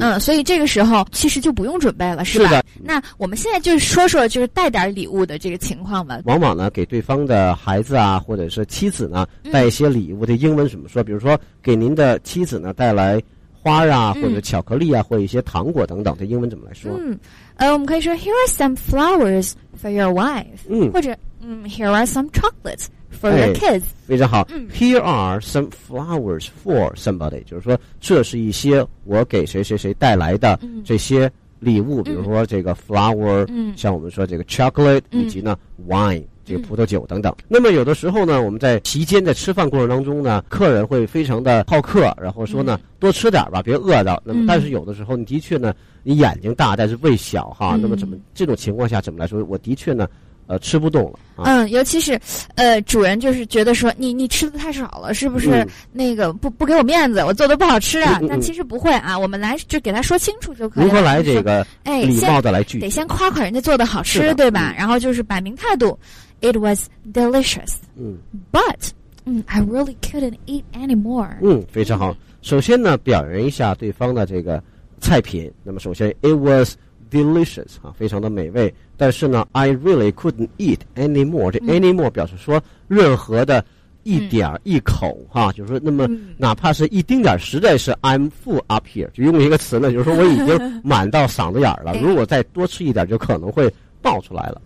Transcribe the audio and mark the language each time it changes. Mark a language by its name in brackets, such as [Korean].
[Chinese] 嗯，所以这个时候其实就不用准备了，是吧？是的。那我们现在就说说就是带点礼物的这个情况吧。往往呢给对方的孩子啊或者是妻子呢带一些礼物的英文怎么说、嗯、比如说给您的妻子呢带来花啊、嗯、或者巧克力啊或者一些糖果等等的英文怎么来说？嗯，我们可以说 [English] Here are some flowers for your wife、 [Chinese] 嗯、 [English] 或者嗯 Here are some chocolates for your kids、 [Chinese] 哎、非常好、嗯、 [English] Here are some flowers for somebody， [Chinese] 就是说这是一些我给谁谁谁带来的这些礼物，比如说这个 flower、嗯、像我们说这个 chocolate、嗯、以及呢 wine 这个葡萄酒等等、嗯、那么有的时候呢我们在席间在吃饭过程当中呢客人会非常的好客，然后说呢、嗯、多吃点吧别饿着，那么但是有的时候你的确呢你眼睛大但是胃小哈、嗯、那么怎么这种情况下怎么来说，我的确呢吃不动了、啊、嗯，尤其是主人就是觉得说你吃的太少了，是不是那个、嗯、不给我面子，我做的不好吃啊、嗯嗯、但其实不会啊，我们来就给他说清楚就可以了。如何来这个礼貌的来拒绝、哎、得先夸夸人家做的好吃的对吧、嗯、然后就是摆明态度 [English] It was delicious、 [Chinese] 嗯、 [English] But、嗯、I really couldn't eat anymore。 [Chinese] 嗯，非常好。首先呢表扬一下对方的这个菜品，那么首先 [English] It was delicious、 [Chinese] 啊、非常的美味，但是呢 [English] I really couldn't eat anymore。 [Chinese] 这 anymore 表示说任何的一点一口哈、啊，就是说那么哪怕是一丁点，实在是 [English] I'm full up here， [Chinese] 就用一个词呢，就是说我已经满到嗓子眼了，如果再多吃一点就可能会爆出来了。